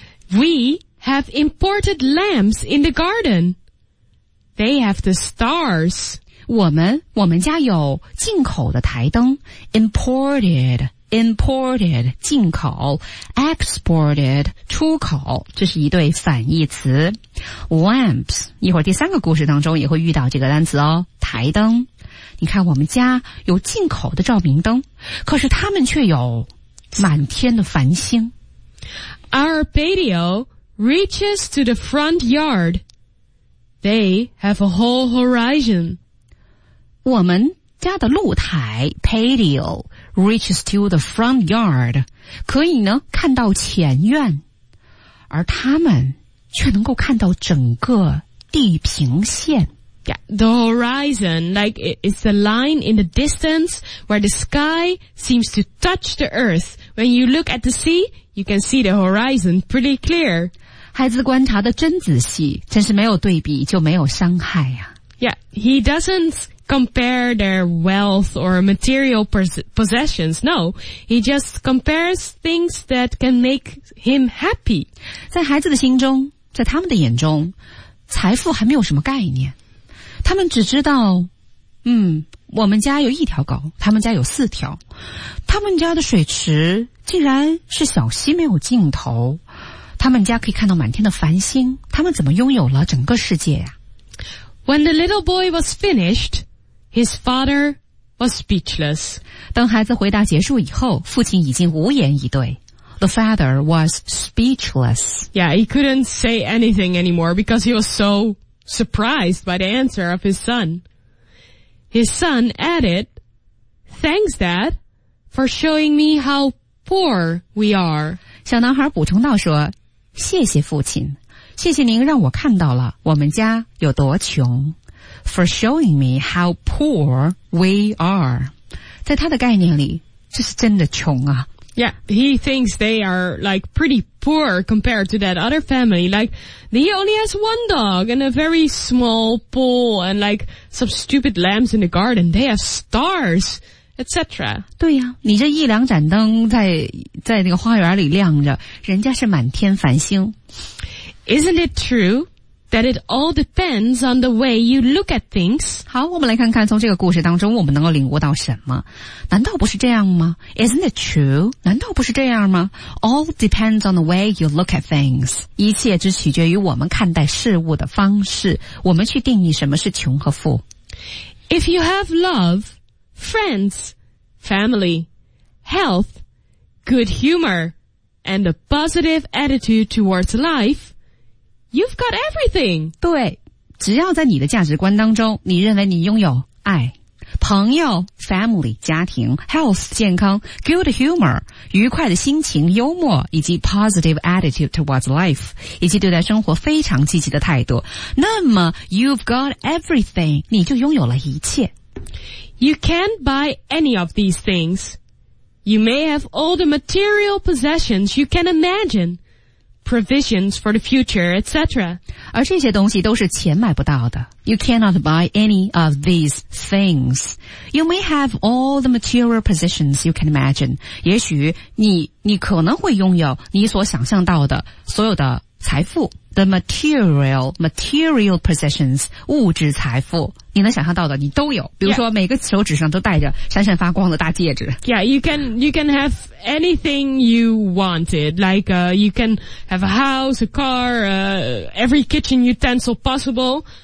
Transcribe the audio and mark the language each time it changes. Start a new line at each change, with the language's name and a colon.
English: We have imported lamps in the garden. They have the stars.
Chinese: 我们家有进口的台灯 ,imported, 进口 ,exported, 出口，这是一对反义词。 Lamps, 一会儿第三个故事当中也会遇到这个单词哦，台灯。你看我们家有进口的照明灯，可是他们却有满天的繁星。
English: Our patio reaches to the front yard. They have a whole horizon.
Chinese: 我们家的露台
English: patio reaches to the front yard
Chinese: 可以呢看到前院，而他们却能够看到整个地平线。
English: Yeah, the horizon, like it's the line in the distance where the sky seems to touch the earth. When you look at the sea, you can see the horizon pretty clear.
Chinese: 孩子观察的真仔细，真是没有对比就没有伤害啊。
English: Yeah, he doesn'tCompare their wealth or material possessions. No, he just compares things that can make him happy.
Chinese: 在孩子的心中，在他们的眼中，财富还没有什么概念。他们只知道，我们家有一条狗，他们家有四条。他们家的水池竟然是小溪没有尽头。他们家可以看到满天的繁星，他们怎么拥有了整个世界呀？
English: When the little boy was finished, his father was speechless.
Chinese: 当孩子回答结束以后，父亲已经无言以对。
English: The father was speechless. Yeah, he couldn't say anything anymore because he was so surprised by the answer of his son. His son added, "Thanks, Dad, for showing me how poor we are."
Chinese: 小男孩补充道说，谢谢父亲，谢谢您让我看到了我们家有多穷。
English: For showing me how poor we are.
Chinese: 在他的概念里，这是真的穷啊。
English: Yeah, he thinks they are like pretty poor compared to that other family. Like, he only has one dog and a very small pool and like some stupid lambs in the garden. They have stars, etc.
Chinese: 对呀、啊、你这一两盏灯在那个花园里亮着，人家是满天繁星。
English: Isn't it true that it all depends on the way you look at things?
Chinese: 好，我们来看看从这个故事当中我们能够领悟到什么。难道不是这样吗？
English: Isn't it true?
Chinese: 难道不是这样吗？
English: All depends on the way you look at things.
Chinese: 一切只取决于我们看待事物的方式，我们去定义什么是穷和富。
English: If you have love, friends, family, health, good humor, and a positive attitude towards life,You've got everything.
Chinese: 对，只要在你的价值观当中，你认为你拥有爱、朋友 family 家庭 health 健康
English: good humor
Chinese: 愉快的心情、幽默以及
English: positive attitude towards life
Chinese: 以及对待生活非常积极的态度，那么
English: you've got everything，
Chinese: 你就拥有了一切。
English: You can't buy any of these things. You may have all the material possessions you can imagine. Provisions for the future, etc.
Chinese: 而这些东西都是钱买不到的。
English: You cannot buy any of these things. You may have all the material possessions you can imagine.
Chinese: 也许你可能会拥有你所想象到的所有的财富。
English: The material possessions,
Chinese: 物质财富。你能想象到的你都有。比如说每个手指上都戴着闪闪发光的大戒指。
English: Yeah, you can have anything you wanted. Like, you can have a house, a car, every kitchen utensil possible.